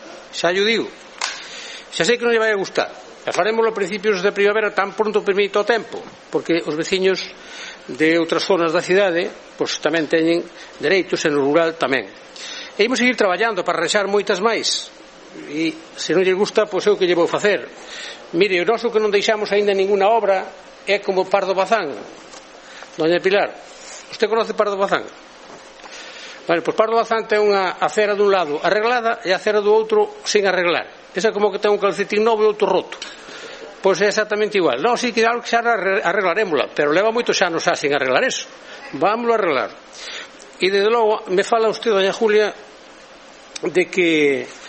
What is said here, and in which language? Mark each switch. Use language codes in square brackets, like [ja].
[gl] Xa lle digo, xa sei que non lle vai a gustar. Xa faremos a principios de primavera, tan pronto permito o tempo, porque os veciños de outras zonas da cidade pois tamén teñen dereitos, e no rural tamén. E imos seguir traballando para arranxar moitas máis. E se non lle gusta, pois é o que lle vou facer. Mire, o noso que non deixamos aínda ninguna obra é como Pardo Bazán. [es] Doña Pilar, ¿usté conoce Pardo Bazán? [gl] Vale, pois Pardo Bazán ten unha acera dun lado arreglada e a acera do outro sin arreglar. Esa é como que ten un calcetín novo e outro roto. Pois é exactamente igual. Non, si, que algo que xa arreglaremos, pero leva moito xa nos xa sin arreglar eso. Vámoslo a arreglar. E, desde logo, me fala usted, doña Julia, de que